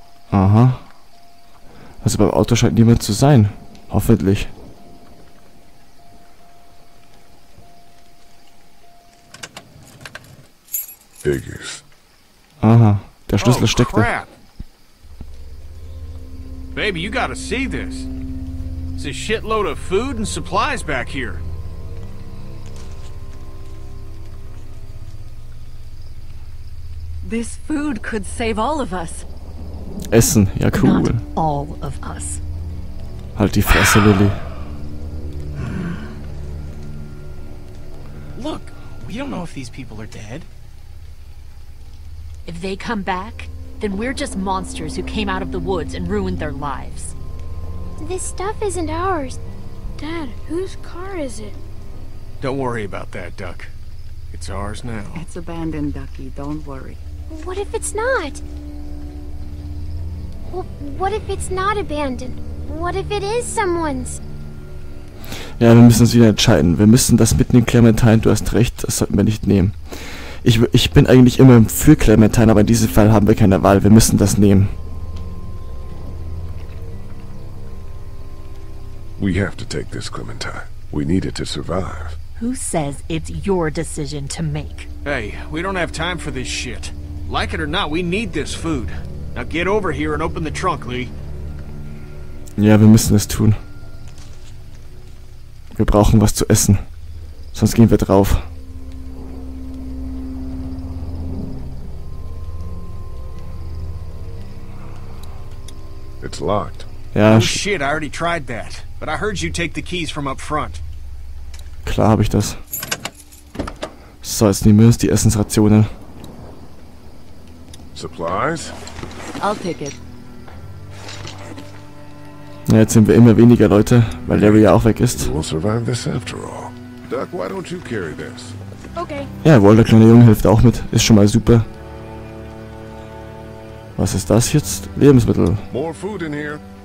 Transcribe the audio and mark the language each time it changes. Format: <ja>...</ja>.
<de>Aha. Also beim Auto scheint niemand zu sein. Hoffentlich.</de> <en>Figures.</en> <de>Aha, der Schlüssel steckt da.</de> <en>Baby, you gotta see this. It's a shitload of food and supplies back here. This food could save all of us.</en> <de>Essen, ja cool.</de> <en>Not all of us.</en> <de>Halt die Fresse, Lily.</de> <en>Look, we don't know if these people are dead. If they come back, then we're just monsters who came out of the woods and ruined their lives. This stuff isn't ours. Dad, whose car is it? Don't worry about that, Duck. It's ours now. It's abandoned, Ducky. Don't worry. What if it's not? Well, what if it's not abandoned? What if it is someone's?</en> <de>Ja, wir müssen uns wieder entscheiden. Wir müssen das mitnehmen, Clementine. Du hast recht, das sollten wir nicht nehmen. Ich bin eigentlich immer für Clementine, aber in diesem Fall haben wir keine Wahl. Wir müssen das nehmen.</de> <en>We have to take this, Clementine. We need it to survive. Who says it's your decision to make? Hey, we don't have time for this shit. Like it or not, we need this food. Now get over here and open the trunk, Lee.</en> <de>Ja, wir müssen es tun. Wir brauchen was zu essen. Sonst gehen wir drauf.</de> <en>It's locked.</en> <de>Ja.</de> <en>Oh shit, I already tried that. But I heard you take the keys from up front.</en> <de>Klar habe ich das. So, jetzt nehmen wir uns die Essensrationen.</de> <en>Supplies? I'll take it.</en> <de>Ja, jetzt sind wir immer weniger Leute, weil Larry ja auch weg ist.</de> <en>We'll survive this after all. Duck, why don't you carry this? Okay.</en> <de>Ja, wohl, der kleine Junge hilft auch mit. Ist schon mal super. Was ist das jetzt? Lebensmittel.</de> <en>More food in here.</en>